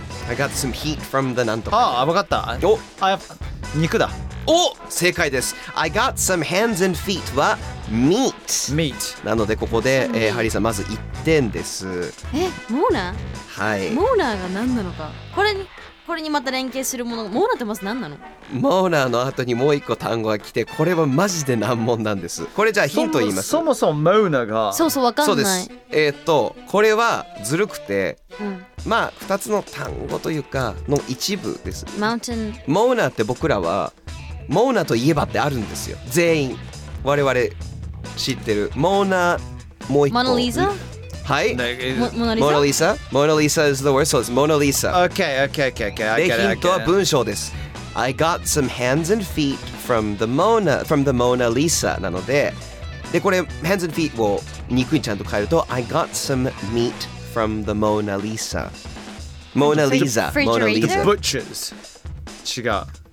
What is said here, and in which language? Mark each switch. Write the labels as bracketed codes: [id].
[en] I got some heat from the [ja] なんとか。ああ、分かった。お、あ、肉だ。お、正解です。 [en] I got some hands and feet は。 Meat. Meat. [ja] なのでここで、ハリーさんまず1点です。え、モーナ？はい。モーナが何なのか。これにまた連携するもの、モーナってまず何なの？モーナの後にもう一個単語が来て、これはマジで難問なんです。これじゃあヒント言います。そもそもモーナが。そうそう、わかんない。そうです。これはずるくて、うん、まあ2つの単語というかの一部です。 [en] Mountain. [ja] モーナって僕らはモーナといえばってあるんですよ。全員。我々知ってるモーナ、もう一個モナリザ、はい、モナリザ、モナリザ [en] is the word、 [ja] そうです、モナリザ。 [en] OK OK OK OK、 [ja] で、ヒントは文章です。 [en] I got some hands and feet from the Mona, from the Mona Lisa [ja] なので、で、これ [en] hands and feet [ja] を肉にちゃんと変えると [en] I got some meat from the Mona Lisa、 モナリザ、モナリザ、 the butchers、 [ja] 違う、